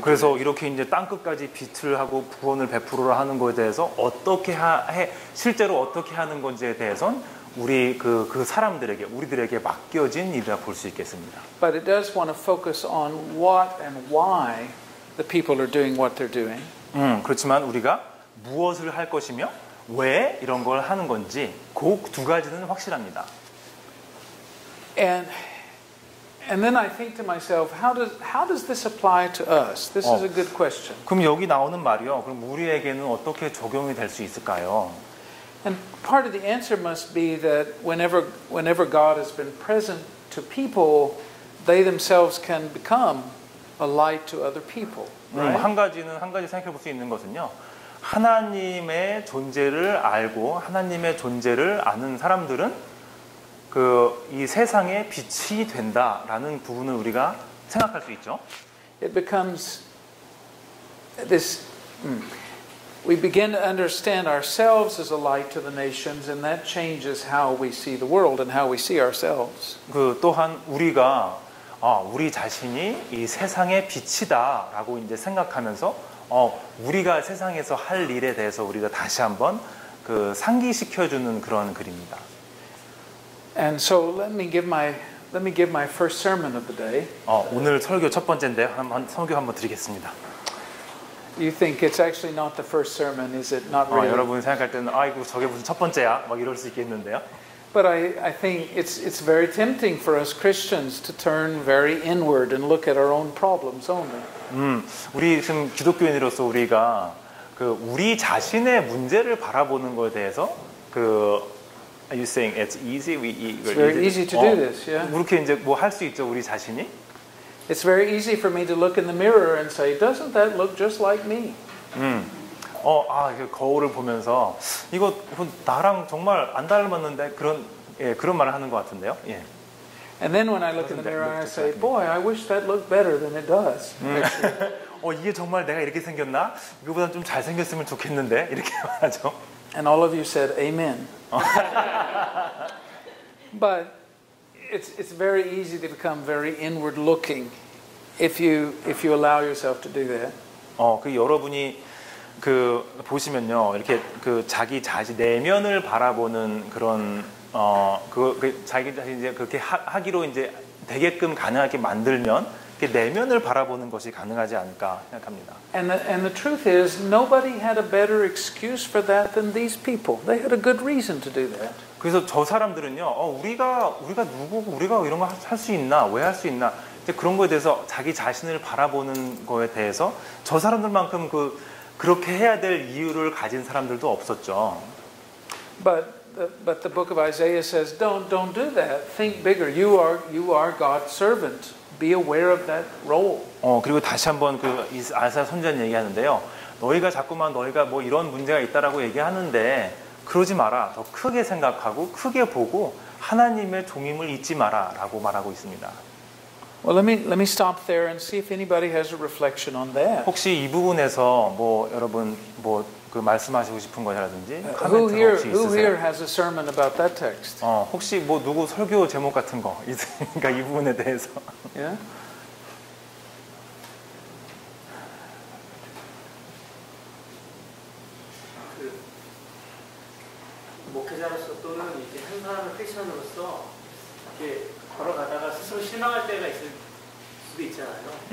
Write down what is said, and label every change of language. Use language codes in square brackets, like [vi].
[ko] 그래서 이렇게 이제 땅 끝까지 빚을 하고 구원을 베풀어 하는 거에 대해서 어떻게 실제로 어떻게 하는 건지에 대해선 우리 그 사람들에게 우리들에게 맡겨진 일이라 볼 수 있겠습니다. [en] But it does want to focus on what and why the people are doing what they're doing. [ko] 그렇지만 우리가 무엇을 할 것이며 왜 이런 걸 하는 건지 그 두 가지는 확실합니다. [en] And then I think to myself, how does this apply to us? This is a good question. [ko] 그럼 여기 나오는 말이요. 그럼 우리에게는 어떻게 적용이 될 수 있을까요? [en] And part of the answer must be that whenever God has been present to people, they themselves can become a light to other people. Right? [ko] 한 가지 생각해 볼 수 있는 것은요. 하나님의 존재를 알고 하나님의 존재를 아는 사람들은 그 이 세상에 빛이 된다라는 부분을 우리가 생각할 수 있죠. [en] It becomes this. We begin to understand ourselves as a light to the nations, and that changes how we see the world and how we see ourselves. [ko] 그 또한 우리가 우리 자신이 이 세상의 빛이다라고 이제 생각하면서 우리가 세상에서 할 일에 대해서 우리가 다시 한번 그 상기시켜주는 그런 글입니다. [en] And so let me give my first sermon of the day. [ko] 오늘 설교 첫 번째인데 한번 설교 한번 드리겠습니다. [en] You think it's actually not the first sermon, is it? Not really. [ko] 여러분 생각할 때는 아이고 저게 무슨 첫 번째야? 막 이럴 수 있겠는데요. [en] But I think it's very tempting for us Christians to turn very inward and look at our own problems only. [ko] 우리 지금 기독교인으로서 우리가 그 우리 자신의 문제를 바라보는 것에 대해서 그 [en] Are you saying it's easy? It's very easy to do this. Yeah. [ko] 이렇게 이제 뭐 할 수 있죠 우리 자신이? [en] It's very easy for me to look in the mirror and say, "Doesn't that look just like me?" [ko] 그 거울을 보면서 이거 나랑 정말 안 닮았는데 그런 말을 하는 것 같은데요? 예. [en] And then when I look in the mirror, I say, "Boy, I wish that looked better than it does." [ko] 이게 정말 내가 이렇게 생겼나? 이거보다 좀 잘 생겼으면 좋겠는데 이렇게 말하죠. [en] And all of you said, "Amen." But it's very easy to become very inward looking if you allow yourself to do that. [ko] 그 여러분이 그 보시면요. 이렇게 그 자기 자신 내면을 바라보는 그런 그 자기 자신 이제 그렇게 하기로 이제 되게끔 가능하게 만들면 그 내면을 바라보는 것이 가능하지 않을까 생각합니다. [en] And the truth is nobody had a better excuse for that than these people. They had a good reason to do that. [ko] 그래서 저 사람들은요. 우리가 누구고 우리가 이런 거 할 수 있나? 왜 할 수 있나? 이제 그런 거에 대해서 자기 자신을 바라보는 거에 대해서 저 사람들만큼 그렇게 해야 될 이유를 가진 사람들도 없었죠. [en] But the book of Isaiah says don't do that. Think bigger. You are God's servant. Be aware of that role. [ko] 그리고 다시 한번 그 아사 선지자 얘기하는데요. 너희가 자꾸만 너희가 뭐 이런 문제가 있다라고 얘기하는데 그러지 마라. 더 크게 생각하고 크게 보고 하나님의 종임을 잊지 마라라고 말하고 있습니다. [en] Well, let me stop there and see if anybody has a reflection on that. [ko] 혹시 이 부분에서 뭐 여러분 뭐 그 말씀하시고 싶은 거라든지 코멘트 혹시 있으세요? [en] Who here has a sermon about that text? [ko] 혹시 뭐 누구 설교 제목 같은 거 그러니까 이 부분에 대해서. Yeah. 목회자로서 또는 이제 한 사람을 크리스천으로서 이렇게 걸어가다가 스스로 실망할 때가 있을 수도 있잖아요.